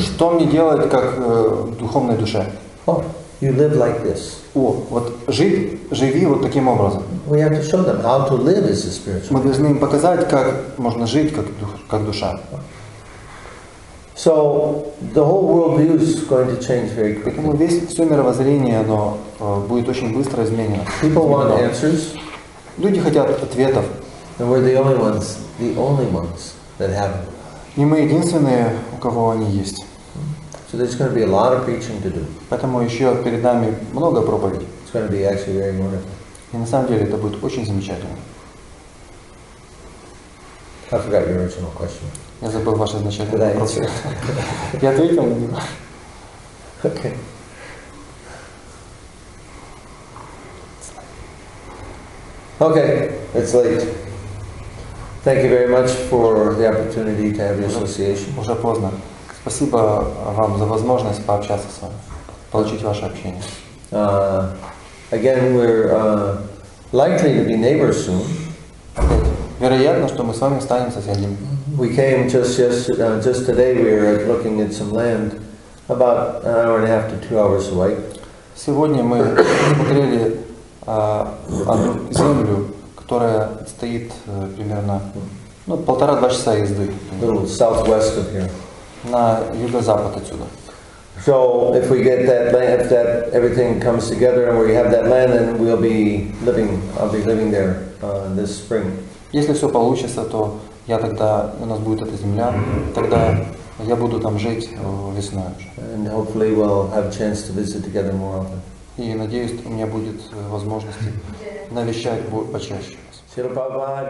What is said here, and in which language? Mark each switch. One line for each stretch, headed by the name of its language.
Russian: Что мне делать как духовной душе?
English: Oh, you live like this.
Russian: О, вот живи вот таким образом.
English: We have to show them how to live as a spiritual.
Russian: Мы должны им показать, как можно жить как душа.
English: So the whole worldview is going to change very quickly.
Russian: Поэтому все мировоззрение, оно будет очень быстро изменено.
English: People want answers.
Russian: Люди хотят ответов.
English: And we're the only ones that have them.
Russian: И мы единственные, у кого они есть.
English: So there's going to be a lot of preaching to do.
Russian: Поэтому еще перед нами много проповедей.
English: It's going to be actually very wonderful.
Russian: И на самом деле это будет очень замечательно.
English: I forgot your original question.
Russian: Я забыл ваш изначальный
English: Did
Russian: вопрос. Я ответил на него.
English: Okay. Okay, it's late. Thank you very much for the opportunity to have your association.
Russian: Уже поздно. Спасибо вам за возможность пообщаться с вами, получить ваше общение.
English: Again, we're likely to be neighbors soon.
Russian: Вероятно, что мы с вами станем соседями.
English: We came just today. We were looking at some land about an hour and a half to 2 hours away.
Russian: Сегодня мы смотрели одну землю, которая стоит примерно полтора-два часа езды.
English: Southwest of here.
Russian: На юго-запад отсюда.
English: So if we get that land, if that everything comes together and we have that land, then we'll be living. I'll be living there this spring.
Russian: Если все получится, то я тогда у нас будет эта земля, тогда я буду там жить весной уже.
English: And hopefully we'll have a chance to visit together more often.
Russian: И надеюсь, у меня будет возможность навещать почаще вас.